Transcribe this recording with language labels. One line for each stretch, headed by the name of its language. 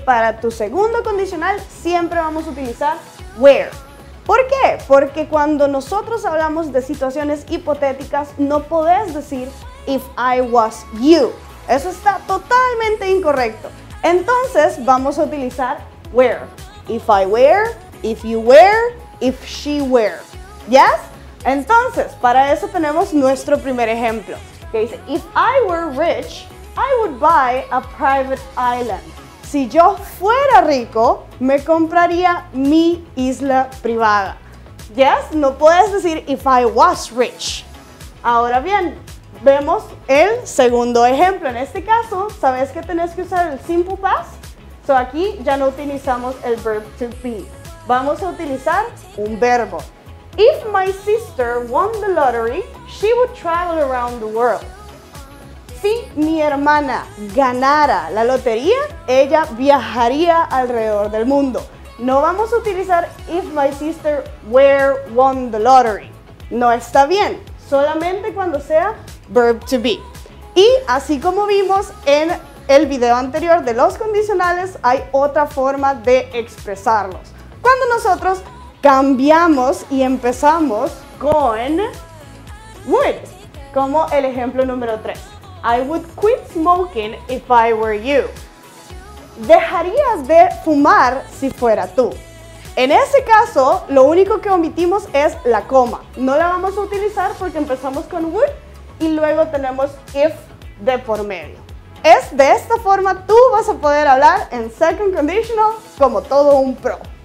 Spanish: Para tu segundo condicional siempre vamos a utilizar where. ¿Por qué? Porque cuando nosotros hablamos de situaciones hipotéticas no podés decir
English: if I was you.
Spanish: Eso está totalmente incorrecto. Entonces vamos a utilizar where.
English: If I were, if you were, if she were. ¿Yes?
Spanish: Entonces, para eso tenemos nuestro primer ejemplo. Que dice,
English: if I were rich, I would buy a private island.
Spanish: Si yo fuera rico, me compraría mi isla privada.
English: ¿Yes?
Spanish: No puedes decir
English: if I was rich.
Spanish: Ahora bien, vemos el segundo ejemplo. En este caso, ¿sabes que tenés que usar el simple past? So aquí ya no utilizamos el verb to be. Vamos a utilizar un verbo.
English: If my sister won the lottery, she would travel around the world.
Spanish: Si mi hermana ganara la lotería, ella viajaría alrededor del mundo. No vamos a utilizar
English: if my sister were won the lottery.
Spanish: No está bien, solamente cuando sea verb to be. Y así como vimos en el video anterior de los condicionales, hay otra forma de expresarlos. Cuando nosotros cambiamos y empezamos con would, como el ejemplo número 3.
English: I would quit smoking if I were you.
Spanish: Dejarías de fumar si fuera tú. En ese caso, lo único que omitimos es la coma. No la vamos a utilizar porque empezamos con would y luego tenemos if de por medio. Es de esta forma tú vas a poder hablar en second conditional como todo un pro.